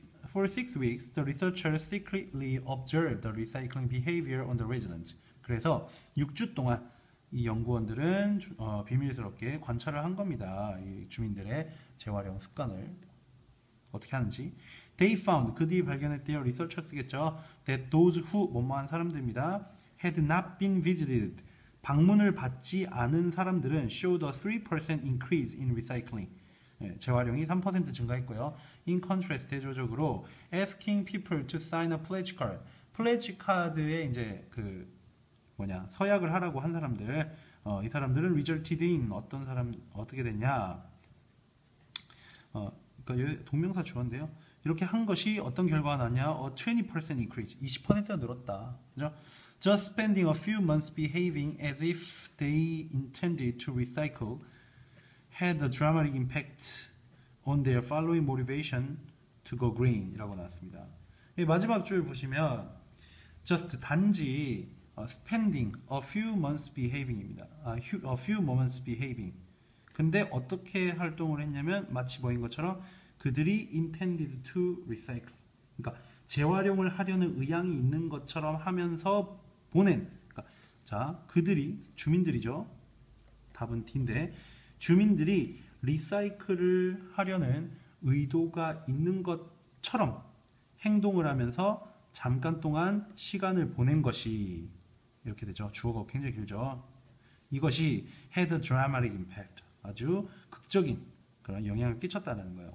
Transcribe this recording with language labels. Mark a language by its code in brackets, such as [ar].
[en] For six weeks, the researchers secretly observed the recycling behavior on the residents. [ko] 그래서 6주 동안 이 연구원들은 비밀스럽게 관찰을 한 겁니다. 이 주민들의 재활용 습관을 어떻게 하는지. [en] They found, [ko] 그들이 발견했대요. Researchers겠죠. [en] That those who, [ko] 뭐뭐한 사람들입니다. [en] Had not been visited, [ko] 방문을 받지 않은 사람들은 [en] showed a 3% increase in recycling. [ko] 네, 재활용이 3% 증가했고요. [en] In contrast, [ko] 대조적으로 [en] asking people to sign a pledge card. [ko] pledge 카드에 이제 그 뭐냐 서약을 하라고 한 사람들, 이 사람들은 [en] resulted in [ko] 어떤 사람 어떻게 됐냐? 그러니까 동명사 주어인데요. 이렇게 한 것이 어떤 결과가 났냐? [en] A 20% increase. [ko] 20%가 늘었다. 그죠? [en] Just spending a few months behaving as if they intended to recycle had a dramatic impact on their following motivation to go green [ko] 이라고 나왔습니다. 마지막 줄 보시면 [en] just [ko] 단지 [en] spending a few months behaving입니다. A few moments behaving. [ko] 근데 어떻게 활동을 했냐면 마치 뭐인 것처럼 그들이 [en] intended to recycle. [ko] 그러니까 재활용을 하려는 의향이 있는 것처럼 하면서 보낸. 그러니까 자, 그들이 주민들이죠. 답은 D인데 주민들이 리사이클을 하려는 의도가 있는 것처럼 행동을 하면서 잠깐 동안 시간을 보낸 것이 이렇게 되죠. 주어가 굉장히 길죠. 이것이 [en] had a dramatic impact. [ko] 아주 극적인 그런 영향을 끼쳤다는 거예요.